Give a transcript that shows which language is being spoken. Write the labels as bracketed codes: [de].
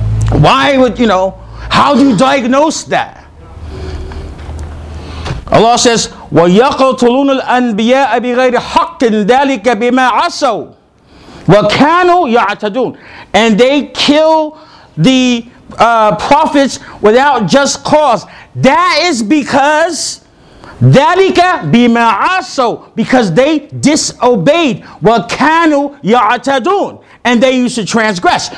[en] Why would, you know, how do you diagnose that? Allah says, [ar] وَيَقَتُلُونَ الْأَنْبِيَاءَ بِغَيْرِ حَقٍ ذَلِكَ بِمَا عَصَوْا وَكَانُوا يَعْتَدُونَ. [en] And they kill the prophets without just cause. That is because, [ar] ذَلِكَ بِمَا عَصَوْا, [en] because they disobeyed. [ar] وَكَانُوا يَعْتَدُونَ, [en] and they used to transgress.